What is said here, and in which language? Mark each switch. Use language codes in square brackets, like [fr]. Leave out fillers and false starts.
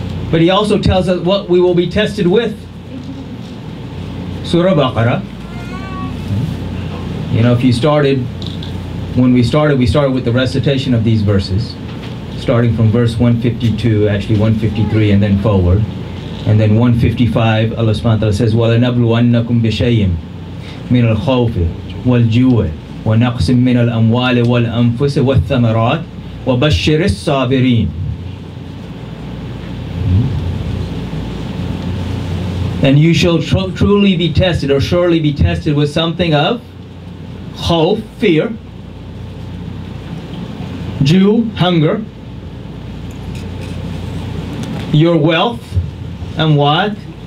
[en] But He also tells us what we will be tested with. Surah Baqarah. You know, if you started, when we started with the recitation of these verses, starting from verse 152, actually 153, and then forward. And then 155, Allah subhanahu wa ta'ala says, [ar] وَلَنَبْلُوَنَّكُمْ بِشَيْءٍ مِنَ الْخَوْفِ وَالْجُوعِ وَنَقْسٍ مِنَ الْأَمْوَالِ وَالْأَنفُسِ وَالثَّمَرَاتِ وَبَشِّرِ الصَّابِرِينَ. [en] And you shall truly be tested, or surely be tested, with something of khawf, fear, jew, hunger, your wealth, and what?